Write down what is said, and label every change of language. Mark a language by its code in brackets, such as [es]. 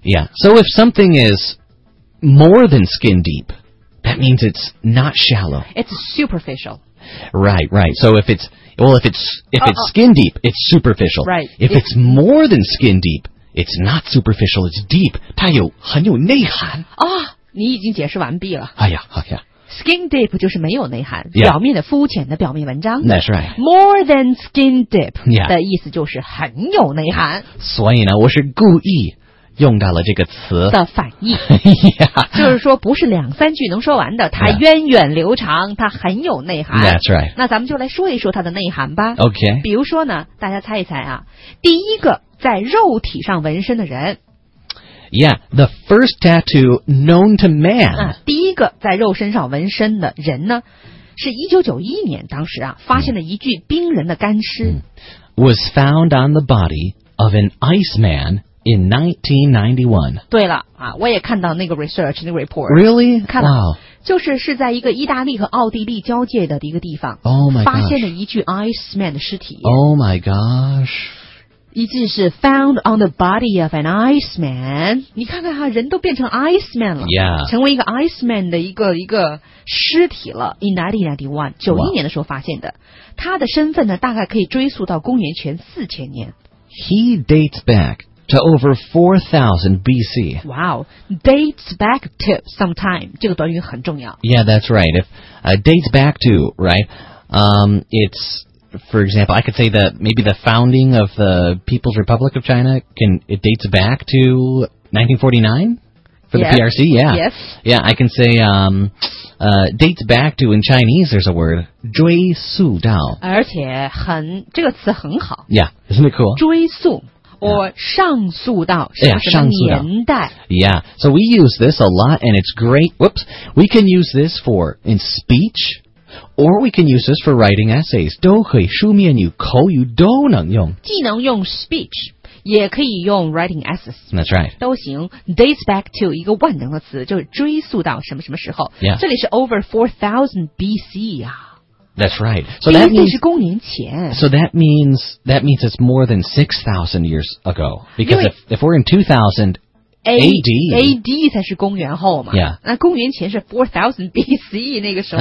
[en] Yeah, so if something is more than skin deep, that means it's not shallow. It's superficial. Right, right. So if it's skin deep, it's superficial. Right. If it's more than skin deep, it's not superficial, it's deep. [zh] 它有很有内涵。啊、oh, ，你已经解释完毕了。哎呀，哎呀。 [en] Skin deep [zh] 就是没有内涵、 [en] yeah. [zh] 表面的肤浅的表面文章 [en] That's right More than skin deep、 yeah. [zh] 的意思就是很有内涵所以呢我是故意用到了这个词的反义。 [en] yeah. [zh] 就是说不是两三句能说完的，它源远流长，它很有内涵。 [en] That's right. [zh] 那咱们就来说一说它的内涵吧。 [en] OK. [zh] 比如说呢，大家猜一猜啊，第一个在肉体上纹身的人。 [en] Yeah, the first tattoo known to man. [zh] 那第一个在肉身上纹身的人呢，是1991年当时啊发现的一具冰人的干尸。 [en] Was found on the body of an iceman in 1991. [zh] 对了啊，我也看到那个 research 那个 report. [en] Really? [zh] 看了。 [en] Wow. [zh] 就是在一个意大利和奥地利交界的一个地方。 [en] Oh my gosh. [zh] 发现了一具 iceman 的尸体。 [en] Oh my gosh. [zh] 一句是 [en] found on the body of an iceman， [zh] 你看看哈，人都变成 iceman 了， [en] yeah. [zh] 成为一个 iceman 的一个尸体了。 [en] In 1991， [zh] 九一年的时候发现的， wow. 他的身份呢，大概可以追溯到公元前4000年。 [en] He dates back to over 4000 BC. Wow, dates back to sometime [zh] 这个短语很重要。 [en] Yeah, that's right. If dates back to, right? It's. For example, I could say that maybe the founding of the People's Republic of China, it dates back to 1949 for yes, the PRC, yeah. Yes. Yeah, I can say, dates back to, in Chinese, there's a word, [zh] 追溯到。而且很，这个词很好。 [en] Yeah, isn't it cool? [zh] 追溯 or 上溯到什么什么年代。 [en] Yeah, so we use this a lot and it's great. Whoops, we can use this for in speech. Or we can use this for writing essays. [zh] 都可以书面语口语都能用。既能用 speech, 也可以用 [en] writing essays. That's right. [zh] 都行。 [en] Dates back to [zh] 一个万能的词就是追溯到什么什么时候。 [en] Yeah. [zh] 这里是 over 4000 BC 啊。 [en] That's right. So that means [zh] 公元前。 [en] So that means it's more than 6000 years ago. Because if we're in 2000,AD [zh] 才是公元后嘛、 [en] yeah. [zh] 那公元前是 4000 BC 那个时候